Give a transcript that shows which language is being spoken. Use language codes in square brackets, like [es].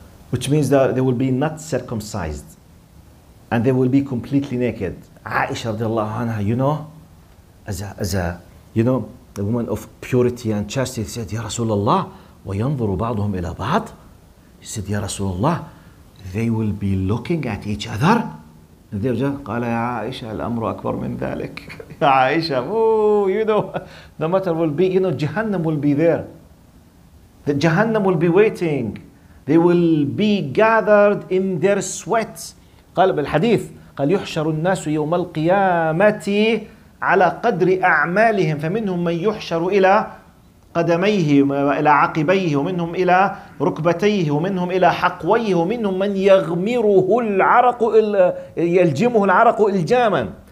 [en] Which means that they will be not circumcised. And they will be completely naked. Aisha radiallahu anha, you know, as a, you know, the woman of purity and chastity, said, Ya Rasulullah, [ar] وَيَنْظُرُ بَعْضُهُمْ إِلَى بَعْضٍ. [en] He said, Ya Rasulullah, they will be looking at each other. And they just [ar] قال يا عائشة الأمر أكبر من ذلك. يا عائشة, [en] oh, you know, the matter will be, you know, Jahannam will be there. The Jahannam will be waiting. They will be gathered in their sweats. [ar] قال بالحديث, قال يحشر الناس يوم القيامة على قدر أعمالهم فمنهم من يحشر إلى قدميه إلى عقبيه ومنهم إلى ركبتيه ومنهم إلى حقويه ومنهم من يغمره العرق يلجمه العرق إلجاما.